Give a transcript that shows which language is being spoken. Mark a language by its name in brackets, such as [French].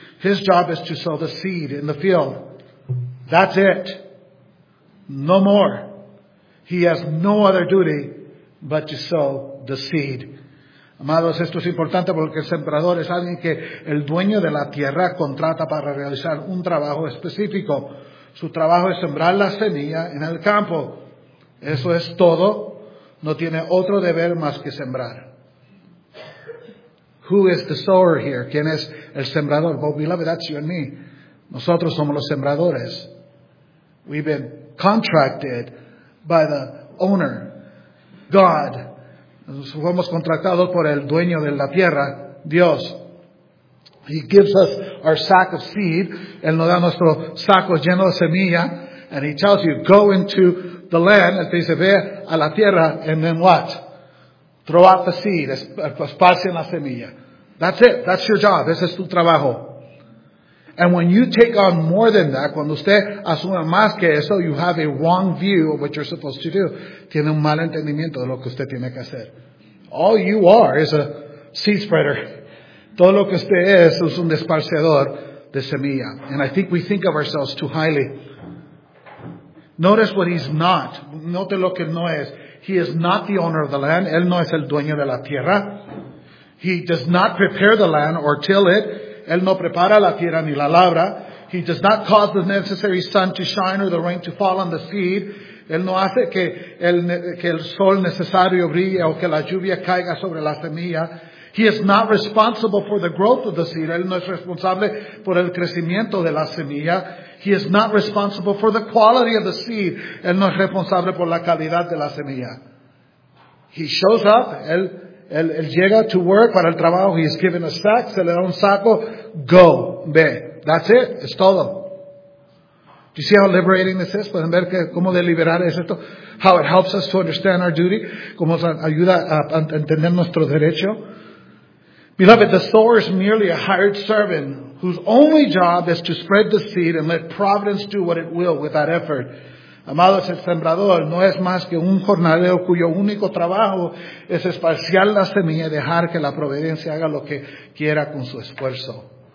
[English] His job is to sow the seed in the field. That's it. No more. He has no other duty but to sow the seed. [Spanish] Amados, esto es importante porque el sembrador es alguien que el dueño de la tierra contrata para realizar un trabajo específico. Su trabajo es sembrar la semilla en el campo. Eso es todo. No tiene otro deber más que sembrar. [English] Who is the sower here? [Spanish] ¿Quién es el sembrador? [English] Well, beloved, that's you and me. [Spanish] Nosotros somos los sembradores. [English] We've been contracted by the owner, God. [Spanish] Nos fuimos contratados por el dueño de la tierra, Dios. [English] He gives us our sack of seed. [Spanish] Él nos da nuestro saco lleno de semilla. [English] And he tells you, go into the land. [Spanish] Él te dice, ve a la tierra. [English] And then what? Throw out the seed. [Spanish] Esparce la semilla. [English] That's it. That's your job. [Spanish] Ese es tu trabajo. [English] And when you take on more than that, [Spanish] cuando usted asume más que eso, [English] you have a wrong view of what you're supposed to do. [Spanish] Tiene un mal entendimiento de lo que usted tiene que hacer. [English] All you are is a seed spreader. [Spanish] Todo lo que usted es un esparcedor de semilla. [English] And I think we think of ourselves too highly. Notice what he's not. [Spanish] Note lo que no es. [English] He is not the owner of the land. [Spanish] Él no es el dueño de la tierra. [English] He does not prepare the land or till it. [Spanish] Él no prepara la tierra ni la labra. [English] He does not cause the necessary sun to shine or the rain to fall on the seed. [Spanish] Él no hace que el sol necesario brille o que la lluvia caiga sobre la semilla. [English] He is not responsible for the growth of the seed. [Spanish] Él no es responsable por el crecimiento de la semilla. [English] He is not responsible for the quality of the seed. [Spanish] Él no es responsable por la calidad de la semilla. [English] He shows up. [Spanish] Él llega [English] to work [Spanish] para el trabajo. [English] He is given a sack. [Spanish] Se le da un saco. [English] Go. [Spanish] Ve. [English] That's it. [Spanish] Es todo. [English] Do you see how liberating this is? [Spanish] ¿Pueden ver cómo deliberar es esto? [English] How it helps us to understand our duty. [Spanish] Cómo ayuda a entender nuestro derecho. [English] Beloved, the sower is merely a hired servant whose only job is to spread the seed and let providence do what it will with that effort. [Spanish] Amados, el sembrador no es más que un jornalero cuyo único trabajo es esparciar la semilla y dejar que la providencia haga lo que quiera con su esfuerzo.